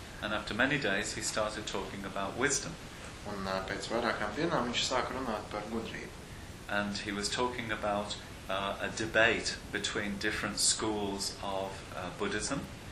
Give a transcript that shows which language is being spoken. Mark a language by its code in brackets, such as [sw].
[en] And after many days he started talking about wisdom. [lv] Un pēc vairākām dienām viņš sāka runāt par gudrību. [en] And he was talking about a debate between different schools of Buddhism.